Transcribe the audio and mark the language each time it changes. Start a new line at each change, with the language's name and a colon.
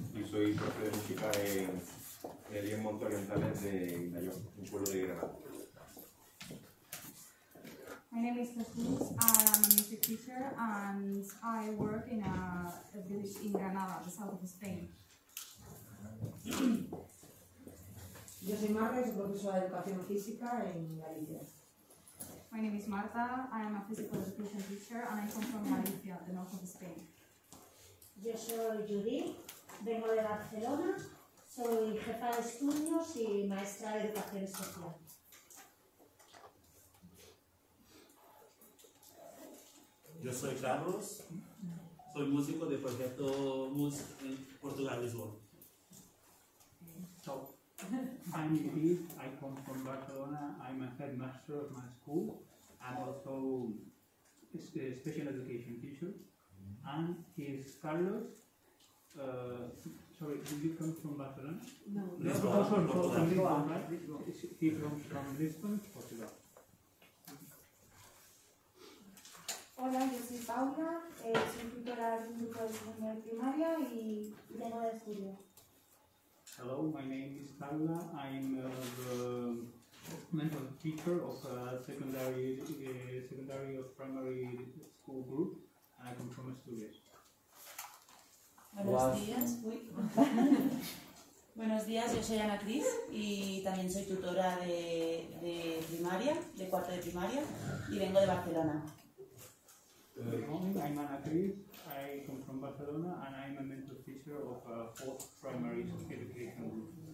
Spanish: Soy profe de música en el Monte Orientales de Indayón, un pueblo de Granada.
English: My name is Jesús, I'm a music teacher and I work in a village in Granada, the south of Spain.
Spanish: Yo soy Marta, soy profesora de educación física en Galicia.
English: My name is Marta, I am a physical education teacher and I come from Galicia, the north of Spain.
Spanish: Yo soy Judith. Vengo de Barcelona, soy jefa de estudios y maestra de educación especial. Yo soy Carlos, soy músico de proyecto MUSE en Portugal, Lisboa.
English: So, I'm Edith, I come from Barcelona, I'm a headmaster of my school, I'm also a special education teacher, and here's Carlos. Sorry, did you come from Barcelona? No. Lisbon. No, from Lisbon, right? He comes from Lisbon, Portugal.
Spanish: Hola, yo soy Paula, soy tutora de un grupo de secundaria primaria y tengo de estudio.
English: Hello, my name is Paula. I'm the mental teacher of secondary or primary school group, and I come from Asturias.
Spanish: Buenos días, yo soy Ana Cris y también soy tutora de primaria, de cuarto de primaria, y vengo de Barcelona.
English: Good morning, I'm Ana Cris, I come from Barcelona and I'm a mental teacher of a fourth primary education group.